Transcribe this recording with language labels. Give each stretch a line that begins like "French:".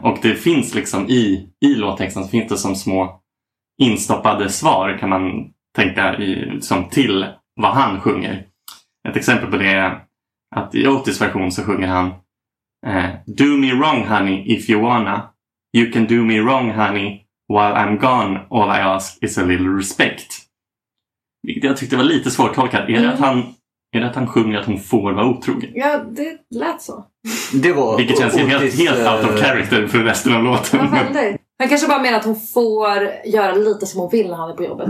Swedish: Och det finns liksom i låttexten, så finns det som små instoppade svar, kan man tänka, som till vad han sjunger. Ett exempel på det är att i Otis version så sjunger han
English: Do me wrong honey if you wanna. You can do me wrong honey while I'm gone. All I ask is a little respect.
Swedish: Vilket jag tyckte var lite svårt tolkat. Är det att han sjunger att hon får vara otrogen? Ja, det lät så. Det var vilket känns Otis, helt
English: out of character
Swedish: för resten av låten. Han kanske bara menar att hon får göra lite som hon vill när han är på jobbet.